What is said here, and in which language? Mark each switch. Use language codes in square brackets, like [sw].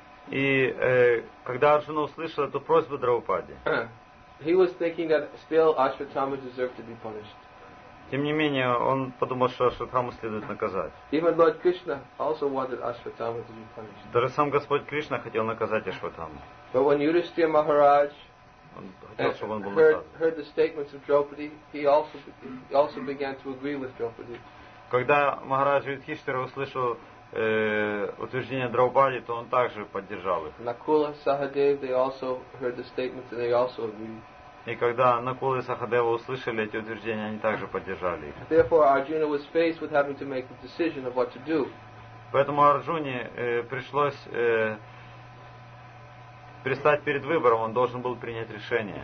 [ru] И когда Арджуна услышал эту просьбу Драупади, [en] he was thinking that still Ashvatthama deserved to be punished. [ru] Тем не менее, он подумал, что Ашватхаму следует наказать. [en] Even Lord Krishna also wanted Ashvatthama to be punished. [ru] Даже сам Господь Кришна хотел наказать Ашватхаму. [en] But when Yudhishthira Maharaj heard the statements of Draupadi, he also began to agree with Draupadi. [ru] Когда Махарадж Юдхиштхира услышал утверждение Драупади, то он также поддержал их. [en] Накула, Сахадев, they also heard the statements and they also agreed. [ru] И когда Накула и Сахадева услышали эти утверждения, они также поддержали их. [en] Therefore, Arjuna was faced with having to make the decision of what to do. [ru] Поэтому Арджуне пришлось пристать перед выбором, он должен был принять решение.